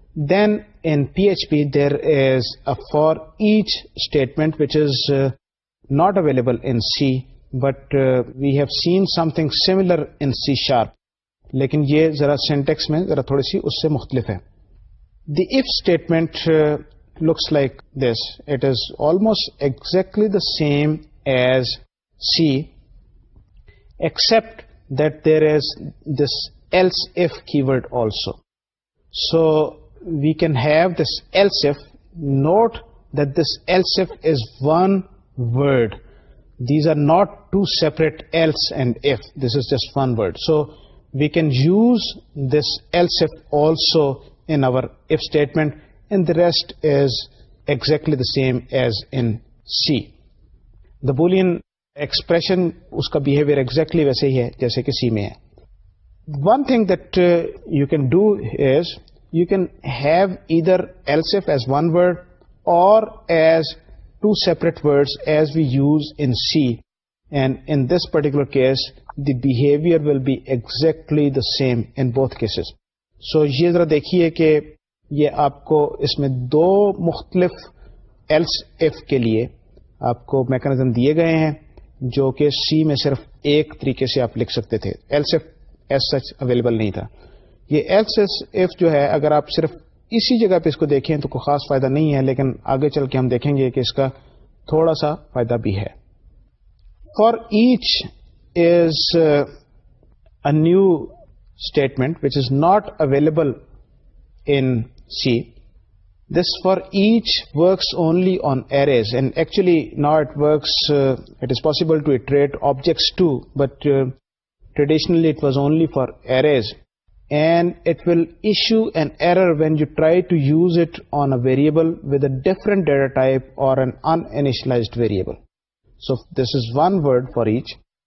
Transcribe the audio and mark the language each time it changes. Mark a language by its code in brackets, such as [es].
[en] then in P H P there is a for each statement which is not available in C, but we have seen something similar in C sharp, [ur] لیکن یہ ذرا syntax میں ذرا تھوڑی سی اس سے مختلف ہے. [en] The if statement looks like this, it is almost exactly the same as C except that there is this else if keyword also. So we can have this else if, note that this else if is one word, these are not two separate else and if, this is just one word. So we can use this else if also in our if statement, and the rest is exactly the same as in C. The Boolean expression, [ur] uska behavior exactly waise hi hai, jaise ki C mein hai. [en] One thing that you can do is, you can have either else if as one word, or as two separate words as we use in C. And in this particular case, the behavior will be exactly the same in both cases. [ur] So, ye zara dekhiye ke, یہ آپ کو اس میں دو مختلف else if کے لیے آپ کو mechanism دیے گئے ہیں جو کہ سی میں صرف ایک طریقے سے آپ لکھ سکتے تھے. [en] else if as such available [ur] نہیں تھا. یہ ایلس ایف جو ہے اگر آپ صرف اسی جگہ پہ اس کو دیکھیں تو کوئی خاص فائدہ نہیں ہے, لیکن آگے چل کے ہم دیکھیں گے کہ اس کا تھوڑا سا فائدہ بھی ہے. [en] For each is a new statement which is not available in C. This for each works only on arrays, and actually now it works, it is possible to iterate objects too, but traditionally it was only for arrays, and it will issue an error when you try to use it on a variable with a different data type or an uninitialized variable. So this is one word for each.